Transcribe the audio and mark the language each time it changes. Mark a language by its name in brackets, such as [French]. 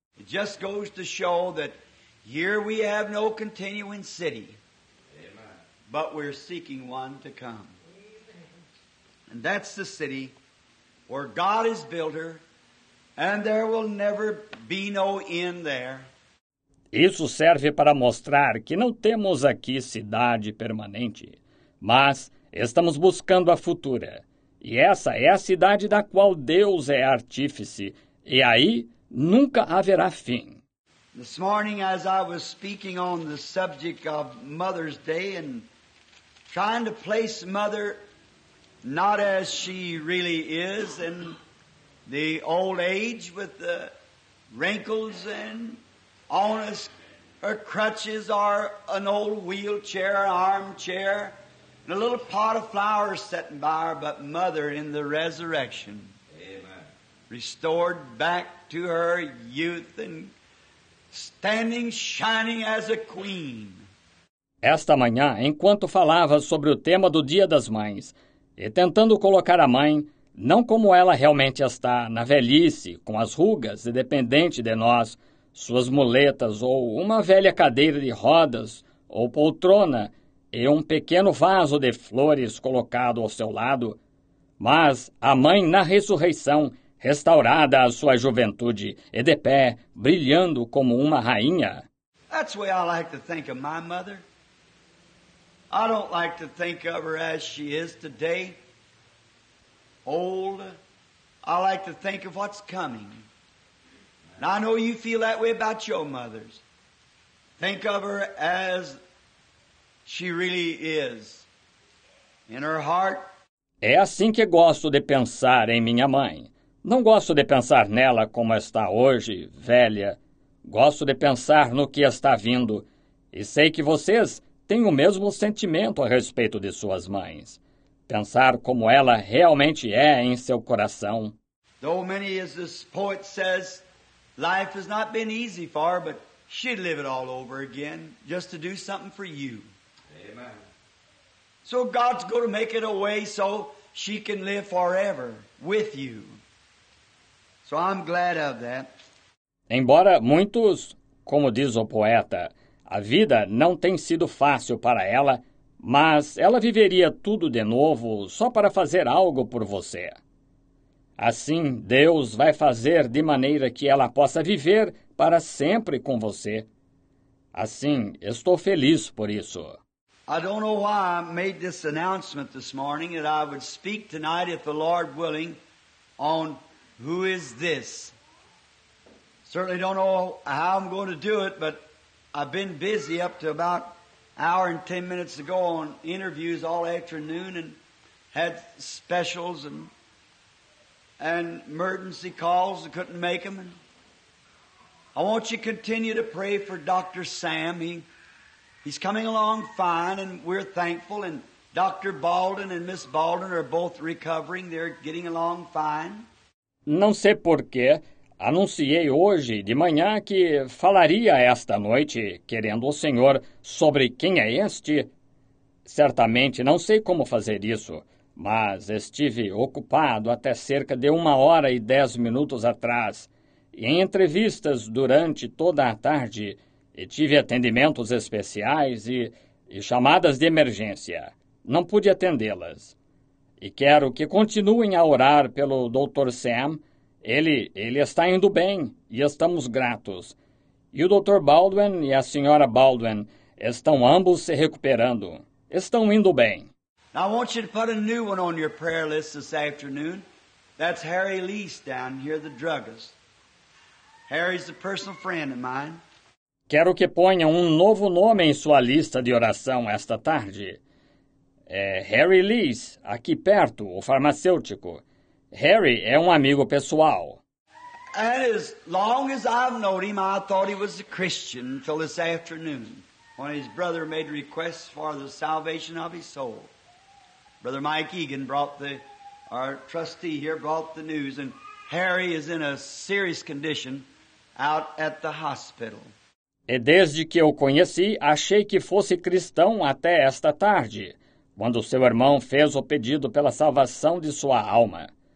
[English] It just goes to show that here we have no continuing city. Amen. But we're seeking one to come. Amen. And that's the city where God has built her, and there will never be no end there. [Portuguese] Isso serve para mostrar que não temos aqui cidade permanente, mas estamos buscando a futura. E essa é a cidade da qual Deus é artífice, e aí nunca haverá fim. [English] This morning, as I was speaking on the subject of Mother's Day and trying to place Mother not as she really is in the old age with the wrinkles and onus, her crutches are an old wheelchair, armchair, and a little pot of flowers sitting by her, but Mother in the resurrection. Amen. Restored back to her youth and standing shining as a queen. [Portuguese] Esta manhã, enquanto falava sobre o tema do Dia das Mães, e tentando colocar a mãe, não como ela realmente está, na velhice, com as rugas e dependente de nós, suas muletas ou uma velha cadeira de rodas ou poltrona, e um pequeno vaso de flores colocado ao seu lado, mas a mãe na ressurreição, restaurada à sua juventude, e de pé, brilhando como uma rainha. [English] That's the way I like to think of my mother. I don't like to think of her as she is today, old. I like to think of what's coming. And I know you feel that way about your mothers. Think of her as she really is, in her heart. [Portuguese] É assim que gosto de pensar em minha mãe. Não gosto de pensar nela como está hoje, velha. Gosto de pensar no que está vindo. E sei que vocês têm o mesmo sentimento a respeito de suas mães. Pensar como ela realmente é em seu coração. [English] Though many, as this poet says, life has not been easy for her, but she'd live it all over again, just to do something for you. Amen. So God's going to make it a way so she can live forever with you. So I'm glad of that. [Portuguese] Embora muitos, como diz o poeta, A vida não tem sido fácil para ela, mas ela viveria tudo de novo só para fazer algo por você. Assim, Deus vai fazer de maneira que ela possa viver para sempre com você. Assim, estou feliz por isso. [English] I don't know why I made this announcement this morning that I would speak tonight, if the Lord willing, on who is this. Certainly don't know how I'm going to do it, but I've been busy up to about an hour and 10 minutes ago on interviews all afternoon and had specials and emergency calls and couldn't make them. And I want you to continue to pray for Dr. Sam. He's coming along fine, and we're thankful. And Dr. Baldwin and Miss Baldwin are both recovering. They're getting along fine. [Portuguese] Não sei por quê. Anunciei hoje de manhã que falaria esta noite, querendo o Senhor, sobre quem é este. Certamente não sei como fazer isso, mas estive ocupado até cerca de 1 hora e 10 minutos atrás, em entrevistas durante toda a tarde, e tive atendimentos especiais e chamadas de emergência. Não pude atendê-las. E quero que continuem a orar pelo Dr. Sam. Ele está indo bem e estamos gratos. E o Dr. Baldwin e a Sra. Baldwin estão ambos se recuperando. Estão indo bem. [English] Now I want you to put a new one on your prayer list this afternoon. That's Harry Lease down here, the druggist. Harry's a personal friend of mine. [Portuguese] Quero que ponha um novo nome em sua lista de oração esta tarde. É Harry Lease, aqui perto, o farmacêutico. Harry é um amigo pessoal. [English] And as long as I've known him, I thought he was a Christian until this afternoon, when his brother made requests for the salvation of his soul. Brother Mike Egan brought our trustee here brought the news, and Harry is in a serious condition out at the hospital. [Portuguese] E desde que eu conheci, achei que fosse cristão até esta tarde, quando seu irmão fez o pedido pela salvação de sua alma.